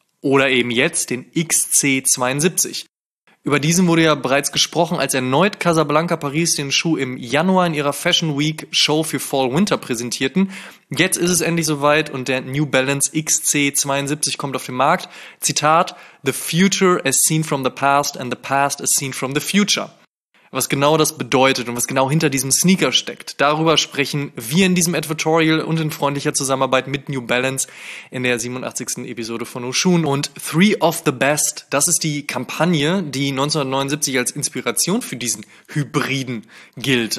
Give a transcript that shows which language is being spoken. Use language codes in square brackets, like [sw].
[de] Oder eben jetzt den XC72. Über diesen wurde ja bereits gesprochen, als erneut Casablanca Paris den Schuh im Januar in ihrer Fashion Week Show für Fall Winter präsentierten. Jetzt ist es endlich soweit und der New Balance XC72 kommt auf den Markt. [en] Zitat: "The future as seen from the past and the past as seen from the future." [de] Was genau das bedeutet und was genau hinter diesem Sneaker steckt, darüber sprechen wir in diesem Advertorial und in freundlicher Zusammenarbeit mit New Balance in der 87. Episode von Oshun. Und Three of the Best, das ist die Kampagne, die 1979 als Inspiration für diesen Hybriden gilt.